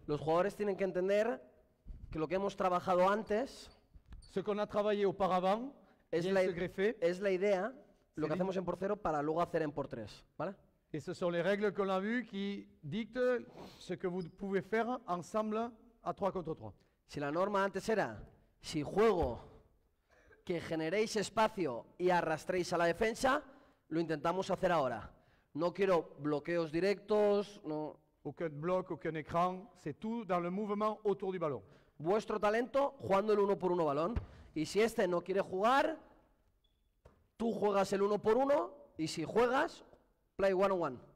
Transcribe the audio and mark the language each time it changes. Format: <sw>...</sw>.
<es>Los jugadores tienen que entender que lo que hemos trabajado antes,</es> <fr>ce qu'on a travaillé auparavant,</fr> <es>es la idea, lo que hacemos en por cero para luego hacer en por tres, ¿vale?</es> <fr>Et ce sont les règles qu'on a vu qui dictent ce que vous pouvez faire ensemble à 3 contre 3.</fr> <es>Si la norma antes era, si juego, que generéis espacio y arrastréis a la defensa, lo intentamos hacer ahora. No quiero bloqueos directos, no.</es> <fr>Aucun bloc, aucun écran, c'est tout dans le mouvement autour du ballon.</fr> <es>Vuestro talento jugando el 1x1 balón. Y si este no quiere jugar, tú juegas el 1x1 y si juegas,</es> <en>play 1-on-1.</en>